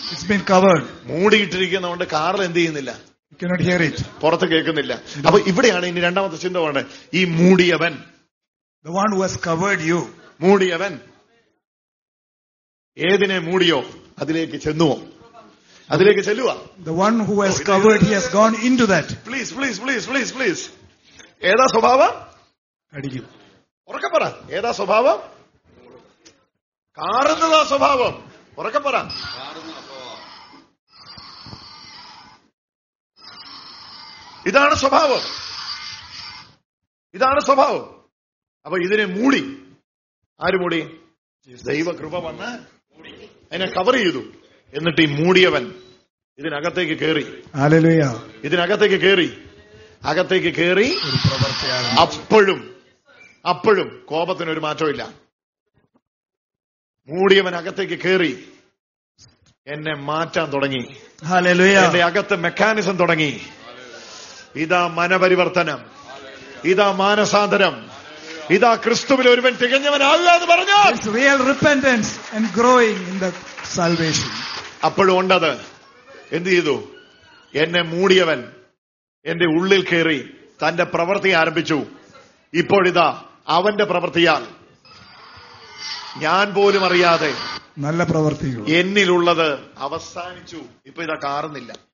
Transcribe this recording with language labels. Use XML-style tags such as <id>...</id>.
<en>It's been covered.</en> <ml>മൂടിയിട്ടിരിക്കുന്ന കൊണ്ട് Karl എന്ത് ചെയ്യുന്നില്ല?</ml> <en>You cannot hear it.</en> <ml>പുറത്ത് കേൾക്കുന്നില്ല. അപ്പൊ ഇവിടെയാണ് ഇനി രണ്ടാമത്തെ ചിന്ത പറഞ്ഞത്. ഈ മൂടിയവൻ,</ml> <en>the one who has covered you,</en> <ml>മൂടിയവൻ ഏതിനെ മൂടിയോ അതിലേക്ക് ചെന്നുവോ? അതിലേക്ക് ചെല്ലുക.</ml> <en>The one who has covered, he has gone into that. Please, please, please, please, please.</en> <ml>ഏതാ സ്വഭാവം? അടിക്കും. ഉറക്ക പറ. ഏതാ സ്വഭാവം? കാറുന്നതാ സ്വഭാവം. ഉറക്ക പറ. ഇതാണ് സ്വഭാവം, ഇതാണ് സ്വഭാവം. അപ്പൊ ഇതിനെ മൂടി. ആര് മൂടി? ദൈവകൃപ വന്ന് അതിനെ കവർ ചെയ്തു. എന്നിട്ട് ഈ മൂടിയവൻ ഇതിനകത്തേക്ക് കയറി. ഹല്ലേലൂയ. ഇതിനകത്തേക്ക് കയറി, അകത്തേക്ക് കയറി. അപ്പോഴും അപ്പോഴും കോപത്തിന് ഒരു മാറ്റമില്ല. മൂടിയവൻ അകത്തേക്ക് കയറി, എന്നെ മാറ്റാൻ തുടങ്ങി. ഹല്ലേലൂയ. എന്റെ അകത്തെ മെക്കാനിസം തുടങ്ങി. ഇതാ മനപരിവർത്തനം, ഇതാ മാനസാന്തരം, ഇതാ ക്രിസ്തുവിൽ ഒരുവൻ തികഞ്ഞവനല്ല എന്ന് പറഞ്ഞു.</ml> <en>It's real repentance and growing in the salvation.</en> <ml>അപ്പോഴും ഉണ്ടത് എന്ത് ചെയ്തു? എന്നെ മൂടിയവൻ എന്റെ ഉള്ളിൽ കയറി തന്റെ പ്രവൃത്തി ആരംഭിച്ചു. ഇപ്പോഴിതാ അവന്റെ പ്രവൃത്തിയാൽ ഞാൻ പോലും അറിയാതെ നല്ല പ്രവൃത്തികൾ എന്നിലുള്ളത് അവസാനിച്ചു. ഇപ്പൊ ഇതാ കാറുന്നില്ല.</ml>